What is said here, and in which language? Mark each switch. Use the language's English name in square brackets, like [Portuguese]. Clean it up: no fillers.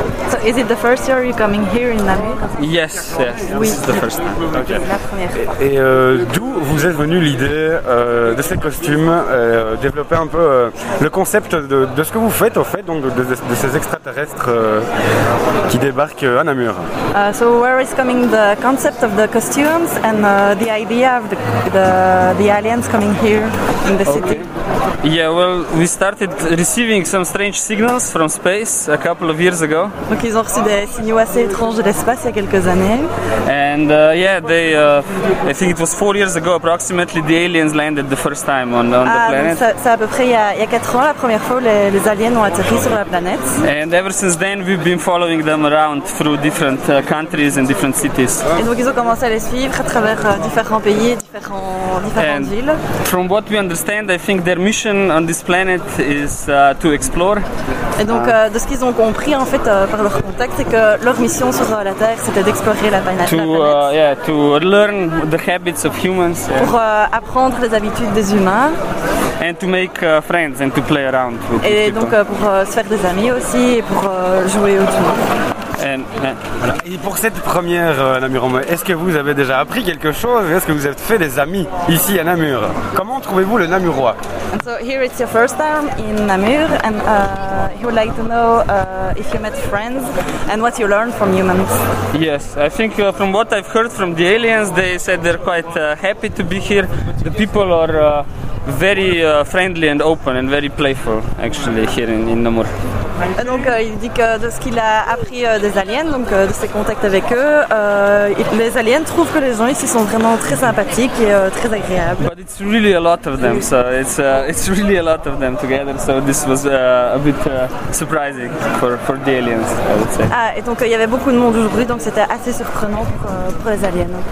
[English] So is it the first year you're coming here in Namur? Yes, yes. [French] Oui. [English] This is the first time. [French] Okay. C'est la première. Et d'où vous est venue l'idée de ces costumes, développer un peu le concept de ce que vous faites au fait, donc de ces extraterrestres qui débarquent à Namur? [English] So where is coming the concept of the costumes and the idea of the aliens coming here in the city? Okay. Yeah, well, we started receiving some strange signals from space a couple of years ago. [French] Donc ils ont reçu des signaux assez étranges de l'espace il y a quelques années. [English] And yeah, they I think it was 4 years ago approximately the aliens landed the first time on the planet. [French] Ah, c'est à peu près il y a 4 ans la première fois les aliens ont atterri sur la planète. [English] And ever since then we've been following them around through different countries and different cities. [French] Et donc ils ont commencé à les suivre à travers différents pays, différentes villes. [English] From what we understand, I think their mission on this planet is to explore. [French] Et donc de ce qu'ils ont compris en fait par leur contact, c'est que leur mission sur la Terre c'était d'explorer la planète. [English] To learn the habits of humans. [French] Yeah. Pour apprendre les habitudes des humains. [English] And to make friends and to play around. [French] Et donc pour se faire des amis aussi et pour jouer autour. Voilà. Et pour cette première Namur en mai, est-ce que vous avez déjà appris quelque chose? Est-ce que vous avez fait des amis ici à Namur? Comment trouvez-vous le Namurois? [English] And so here it's your first time in Namur, and he would like to know if you met friends and what you learned from humans. Yes, I think from what I've heard from the aliens, they said they're quite happy to be here. The people are very friendly and open and very playful, actually, here in Namur. [French] Donc il dit que de ce qu'il a appris des aliens, donc de ses contacts avec eux, les aliens trouvent que les gens ici sont vraiment très sympathiques et très agréables. [English] But it's really a lot of them, so it's really a lot of them together, so this was a bit surprising for the aliens, I would say. [French] Ah, et donc il y avait beaucoup de monde aujourd'hui, donc c'était assez surprenant pour les aliens.